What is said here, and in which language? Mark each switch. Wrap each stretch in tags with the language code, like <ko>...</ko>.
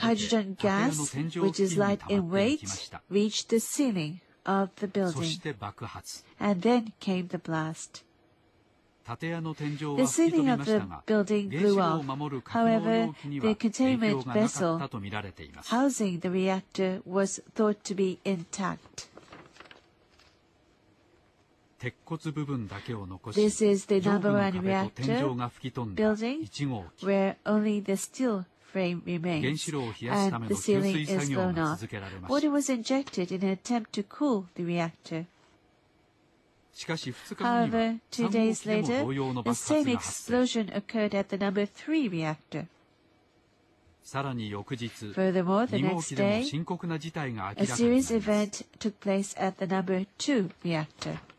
<en>て、hydrogen gas, which is light in weight, reached the ceiling of the building.</en> <ja>そして爆発。</ja> <en>And then came the blast.</en> <ja>建屋の天井は吹き飛びましたが、</ja> <en>the ceiling of the building blew off.</en> <ja>原子炉を守る格納容器には影響がなかったと見られています。</ja> <en>Housing the reactor was thought to be intact.</en> <ja>鉄骨部分だけを残し、</ja> <en>This is the number</en> <ja>上部の壁と天井が吹き飛んだ1号機</ja> <en>where only the steel frame remains,</en> <ja>原子炉を冷やすための吸水作業が続けられました。</ja> <en>Water was injected in an attempt to cool the reactor.</en> <ja>しかし2日後には However, 2 days later, 3号機でも同様の爆発が発生</ja> <en>The same explosion occurred at the number 3 reactor.</en> <ja>さらに翌日</ja> <en>Furthermore, the next day,</en> <ja>2号機でも深刻な事態が明らかになります</ja> <en>。 A serious event took place at the number 2 reactor.</en>